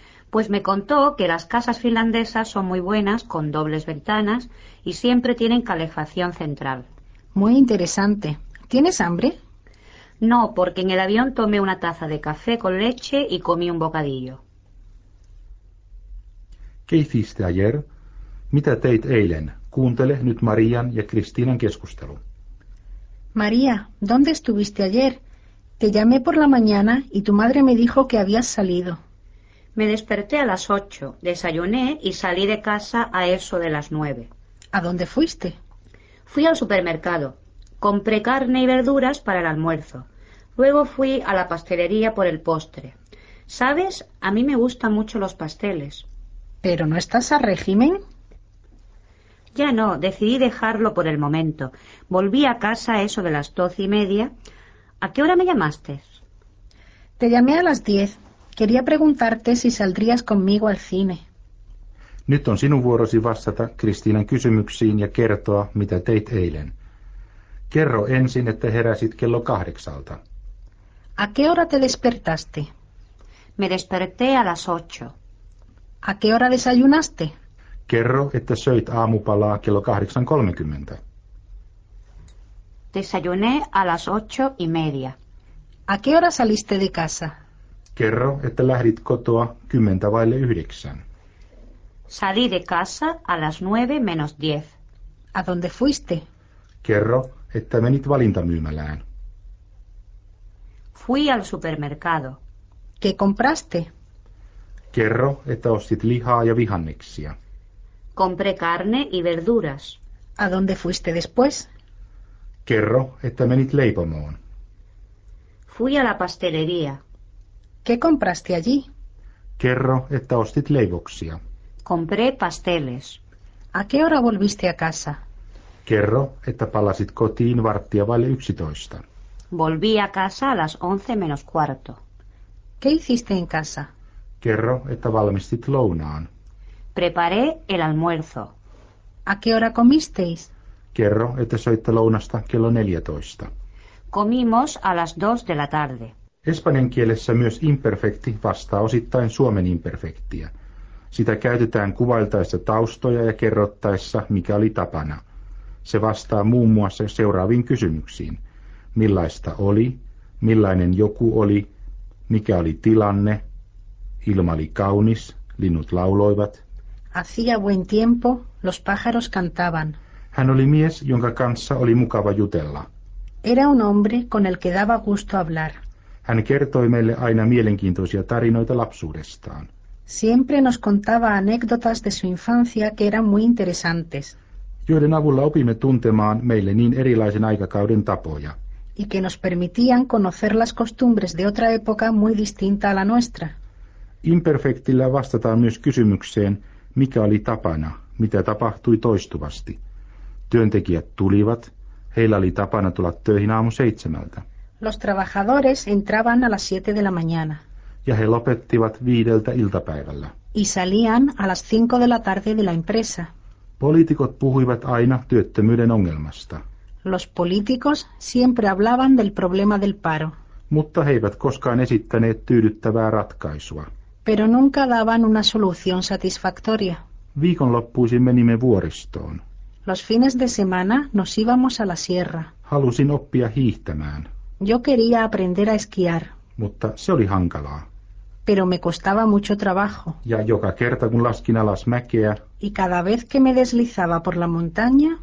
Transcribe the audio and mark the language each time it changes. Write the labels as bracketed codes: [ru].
[es] Pues me contó que las casas finlandesas son muy buenas, con dobles ventanas, y siempre tienen calefacción central. Muy interesante. ¿Tienes hambre? No, porque en el avión tomé una taza de café con leche y comí un bocadillo. ¿Qué hiciste ayer? [fi] Mitä teit eilen? Kuuntele nyt Marian ja Kristiinan keskustelu. [es] María, ¿dónde estuviste ayer? Te llamé por la mañana y tu madre me dijo que habías salido. Me desperté a las 8, desayuné y salí de casa a eso de las 9. ¿A dónde fuiste? Fui al supermercado. Compré carne y verduras para el almuerzo. Luego fui a la pastelería por el postre. ¿Sabes? A mí me gustan mucho los pasteles. ¿Pero no estás a régimen? Ya no, decidí dejarlo por el momento. Volví a casa a eso de las 12:30. ¿A qué hora me llamaste? Te llamé a las 10. Quería preguntarte si saldrías conmigo al cine. [fi] Nyt on sinun vuorosi vastata Kristiinan kysymyksiin ja kertoa, mitä teit eilen. Kerro ensin, että heräsit 8:00. [es] ¿A qué hora te despertaste? Me desperté a las 8. ¿A qué hora desayunaste? [fi] Kerro, että söit aamupalaa 8:30. [es] Desayuné a las 8:30. ¿A qué hora saliste de casa? [fi] Kerro, että lähdit kotoa 9:50. [es] Salí de casa a las 9:50. ¿A dónde fuiste? [fi] Kerro, että menit valintamyymälään. [es] Fui al supermercado. ¿Qué compraste? [fi] Kerro, että ostit lihaa ja vihanneksia. [es] Compré carne y verduras. ¿A dónde fuiste después? [fi] Kerro, että menit leipomoon. [es] Fui a la pastelería. ¿Qué compraste allí? [fi] Kerro, että ostit leivoksia. [es] Compré pasteles. ¿A qué hora volviste a casa? [fi] Kerro, että palasit kotiin 11:15. [es] Volví a casa a las 11:45. ¿Qué hiciste en casa? [fi] Kerro, että valmistit lounaan. [es] Preparé el almuerzo. ¿A qué hora comisteis? [fi] Kerro, että söitte lounasta 14:00. [es] Comimos a las 2:00 p.m. [fi] Espanjan kielessä myös imperfekti vastaa osittain suomen imperfektiä. Sitä käytetään kuvailtaessa taustoja ja kerrottaessa, mikä oli tapana. Se vastaa muun muassa seuraaviin kysymyksiin. Millaista oli? Millainen joku oli? Mikä oli tilanne? Ilma oli kaunis? Linnut lauloivat? [es] Hacía buen tiempo, los pájaros cantaban. [fi] Hän oli mies, jonka kanssa oli mukava jutella. [es] Era un hombre con el que daba gusto hablar. [fi] Hän kertoi meille aina mielenkiintoisia tarinoita lapsuudestaan. [es] Siempre nos contaba anécdotas de su infancia que eran muy interesantes. [fi] Joiden avulla opimme tuntemaan meille niin erilaisen aikakauden tapoja. [es] Y que nos permitían conocer las costumbres de otra época muy distinta a la nuestra. [fi] Imperfektillä vastataan myös kysymykseen, mikä oli tapana, mitä tapahtui toistuvasti. Työntekijät tulivat, heillä oli tapana tulla töihin 7:00. [es] Los trabajadores entraban a las 7:00 a.m. [fi] Ja he lopettivat 17:00. [es] Y salían a las 5:00 p.m. de la empresa. [fi] Poliitikot puhuivat aina työttömyyden ongelmasta. [es] Los políticos siempre hablaban del problema del paro. [fi] Mutta he eivät koskaan esittäneet tyydyttävää ratkaisua. [es] Pero nunca daban una solución satisfactoria. [fi] Viikonloppuisin menimme vuoristoon. [es] Los fines de semana nos íbamos a la sierra. [fi] Halusin oppia hiihtämään. [es] Yo quería aprender a esquiar. [fi] Mutta se oli hankalaa. [es] Pero me costaba mucho trabajo. [fi] Ja joka kerta kun laskin alas mäkeä. [es] Y cada vez que me deslizaba por la montaña.